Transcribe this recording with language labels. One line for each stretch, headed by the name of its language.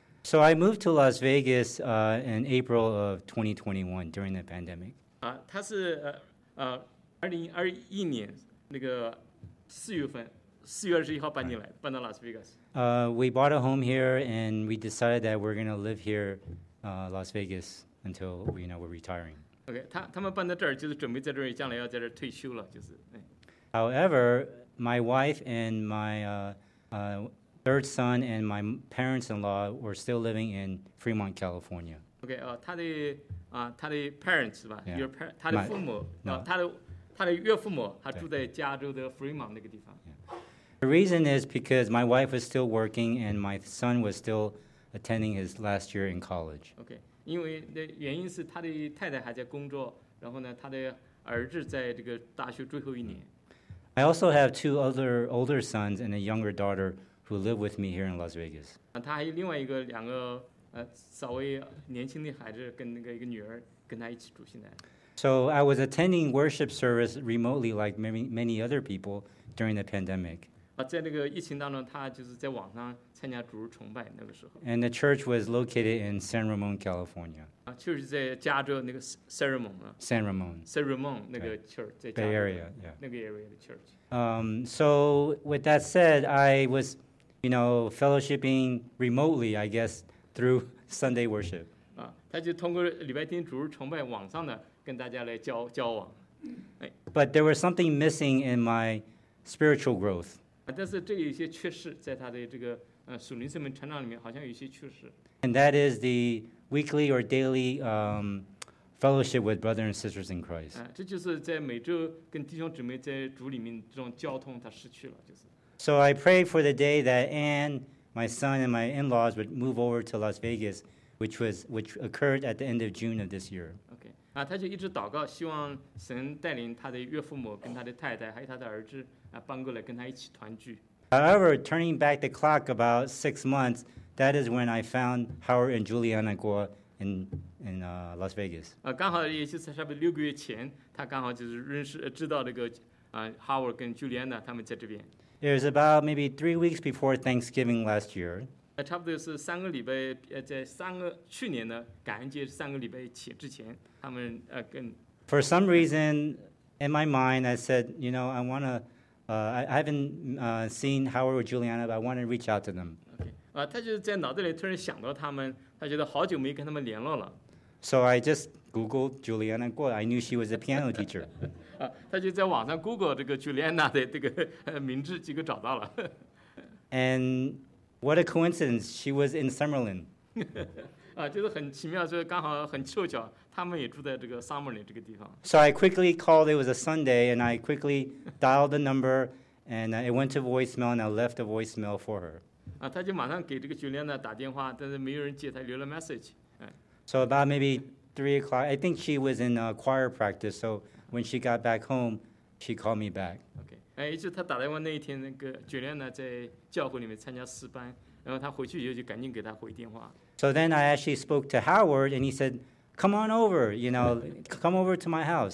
English: So I moved to Las Vegas in April of 2021 during the pandemic.
Chinese: 他是2021年那个4月21号搬进来，搬到 Las Vegas.
English: We bought a home here and we decided that we're going to live here Las Vegas. Until we, you know, we're retiring.
Chinese: Okay, 他们搬到这儿就是准备在这儿将来要在这儿退休了，就是。
English: However, my wife and my third son and my parents-in-law were still living in Fremont, California.
Chinese: Okay, 他的 parents 是吧
English: ？Your
Chinese: parents， 他的父母，他的岳父母，他住在加州的 Fremont 那个地方。
English: The reason is because my wife was still working and my son was still attending his last year in college. Okay.
Chinese: 因为的原因是他的太太还在工作，然后呢，他的儿子在这个大学最后一年。
English: I also have two other older sons and a younger daughter who live with me here in Las Vegas.
Chinese: 他还有另外一个两个稍微年轻的孩子跟那个一个女儿跟他一起住现在。
English: So I was attending worship service remotely like many other people during the pandemic.
Chinese: 在那个疫情当中，他就是在网上。参加主日崇拜那个时候
English: ，and the church was located in San Ramon, California.
Chinese: 就是在加州那个 San Ramon 啊
English: ，San Ramon,
Chinese: San Ramon 那个 church 在
English: Bay Area, yeah,
Chinese: 那个 area 的 church.
English: So with that said, I was you know, fellowshipping remotely, I guess, through Sunday worship.
Chinese: 啊，他就通过礼拜天主日崇拜网上的跟大家来交往。
English: But there was something missing in my spiritual growth.
Chinese: 啊，但是这有一些缺失，在他的这个属灵生命成长里面，好像有一些缺失。
English: And that is the weekly or daily fellowship with brothers and sisters in Christ.
Chinese: 啊，这就是在每周跟弟兄姊妹在主里面这种交通，他失去了，就是。
English: So I prayed for the day that Anne, my son, and my in-laws would move over to Las Vegas, which occurred at the end of June of this year. Okay.
Chinese: 啊，他就一直祷告，希望神带领他的岳父母、跟他的太太还有他的儿子啊，搬过来跟他一起团聚。
English: However, turning back the clock about 6 months, that is when I found Howard and Juliana Guo in Las Vegas.
Chinese: 啊，刚好也就是差不多六个月前，他刚好就是认识知道这个Howard 跟 Juliana 他们在这边。
English: It was about maybe 3 weeks before Thanksgiving last year.
Chinese: 差不多是三个礼拜，在三个去年的感恩节三个礼拜前之前，他们跟。
English: For some reason, in my mind, I said, you know, I want to, I haven't seen Howard or Juliana, but I want to reach out to them. Okay.
Chinese: 他就在脑袋里突然想到他们，他觉得好久没跟他们联络了。
English: So I just Googled Juliana Guo. I knew she was a piano teacher.
Chinese: 他就在网上 Google 这个 Juliana 的这个名字，结果找到了。
English: And what a coincidence! She was in Summerlin.
Chinese: 啊，就是很奇妙，就是刚好很凑巧，他们也住在这个 Summerlin 这个地方。
English: So I quickly called. It was a Sunday, and I quickly dialed the number, and it went to voicemail, and I left a voicemail for her.
Chinese: 啊，他就马上给这个 Juliana 打电话，但是没有人接，他留了 message。
English: So about maybe 3 o'clock, I think she was in choir practice. So when she got back home, she called me back. Okay.
Chinese: 哎，就她打电话那一天，那个 Juliana 在教会里面参加诗班，然后她回去以后就赶紧给她回电话。
English: So then I actually spoke to Howard, and he said, "Come on over, you know, come over to my house."